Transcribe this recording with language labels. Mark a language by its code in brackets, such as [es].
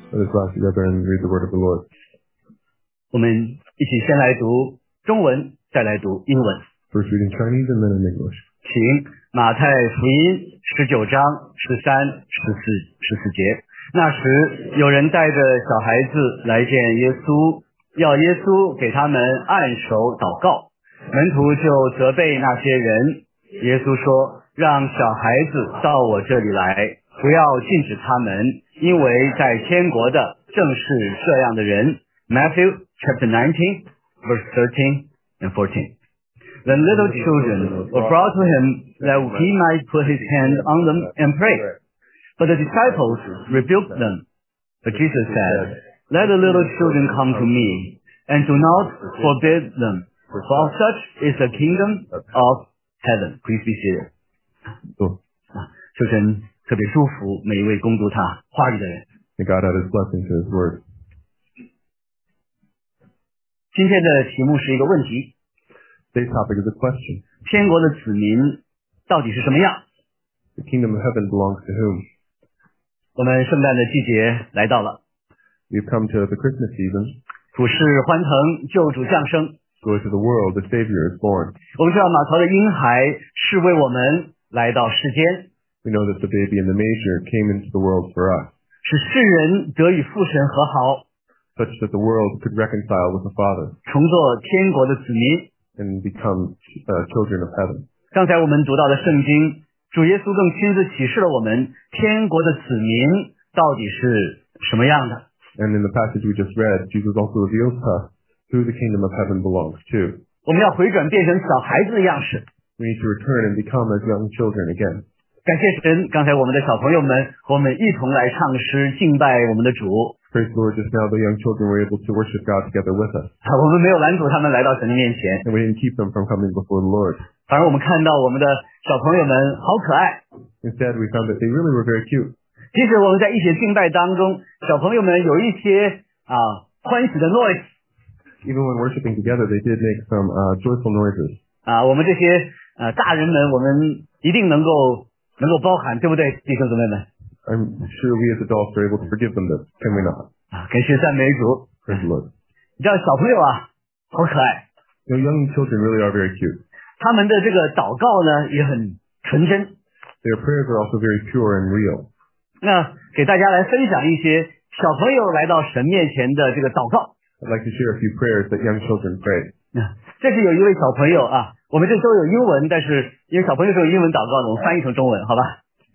[en] Let's class together and read the word of the Lord. [zh] 我们一起先来读中文，再来读英文。 [en] First reading Chinese and then in English. [zh] 请马太福音19:13-14节。那时有人带着小孩子来见耶稣，要耶稣给他们按手祷告，门徒就责备那些人。耶稣说，让小孩子到我这里来，不要禁止他们，因为在天国的正是这样的人。 [en] Matthew chapter 19 verse 13 and 14. Then little children were brought to him that he might put his hand on them and pray. But the disciples rebuked them. But Jesus said, Let the little children come to me, and do not forbid them, for such is the kingdom of heaven. Please be seated. [zh] 求神特别祝福每一位攻读他话语的人。 [en] May God add his blessing to his word. [zh] 今天的题目是一个问题。 [en] This topic is a question. [zh] 天国的子民到底是什么样？ [en] The kingdom of heaven belongs to whom? [zh] 我们圣诞的季节来到了。 [en] We've come to the Christmas season. [zh] 普世欢腾，救主降生。 [en] Joy to the world, the Savior is born. [zh] 我们知道马槽的婴孩是为我们来到世间。 [en] We know that the baby in the manger came into the world for us. [zh] 使世人得与父神和好。 [en] Such that the world could reconcile with the Father. [zh] 重做天国的子民。 [en] And become children of heaven. [zh] 刚才我们读到的圣经，主耶稣更亲自启示了我们天国的子民到底是什么样的。 [en] And in the passage we just read, Jesus also reveals to us who the kingdom of heaven belongs to. [zh] 我们要回转变成小孩子的样式。 [en] We need to return and become as young children again. [zh] 感谢神，刚才我们的小朋友们和我们一同来唱诗敬拜我们的主。 [en] Praise the Lord, just now the young children were able to worship God together with us. [zh] 我们没有拦阻他们来到神的面前。 [en] And we didn't keep them from coming before the Lord. [zh] 反而我们看到我们的小朋友们好可爱。 [en] Instead, we found that they really were very cute. [zh] 即使我们在一些敬拜当中，小朋友们有一些欢喜的 noise. [en] Even when worshiping together, they did make some joyful noises. [zh] 我们这些大人们，我们一定能够包含，对不对，弟兄姊妹们 [en] ？I'm sure we as adults are able to forgive them this, can we not? [zh] 感谢赞美主。 [en] Praise the Lord. [zh] 你知道小朋友啊，好可爱。 [en] Your young children really are very cute. [zh] 他们的这个祷告呢也很纯真。 [en] Their prayers are also very pure and real. [zh] 那给大家来分享一些小朋友来到神面前的这个祷告。 [en] I'd like to share a few prayers that young children pray. [zh] 这是有一位小朋友啊，我们这都有英文，但是因为小朋友是用英文祷告的，我们翻译成中文，好吧